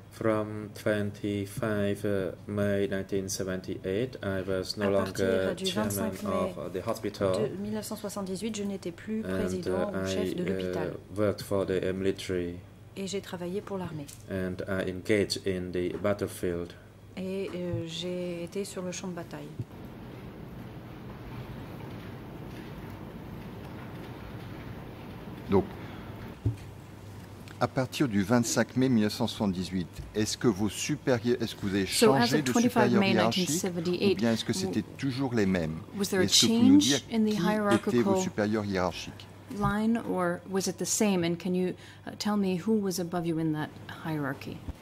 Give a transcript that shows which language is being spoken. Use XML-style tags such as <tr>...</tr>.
<en>From 25 May 1978, I was no longer chairman of the hospital.</en> <fr>De 1978, je n'étais plus président ou chef de l'hôpital.</fr> <en>Worked for the military.</en> <fr>Et j'ai travaillé pour l'armée.</fr> <en>And I engaged in the battlefield.</en> <fr>Et j'ai été sur le champ de bataille. Donc, à partir du 25 mai 1978, est-ce que vos supérieurs, est-ce que vous avez changé de supérieur hiérarchique, ou bien est-ce que c'était toujours les mêmes? Est-ce que vous pouvez nous dire qui étaient vos supérieurs hiérarchiques?</fr> <en>Line, or was it the same? And can you tell me who was above you in that hierarchy?</en>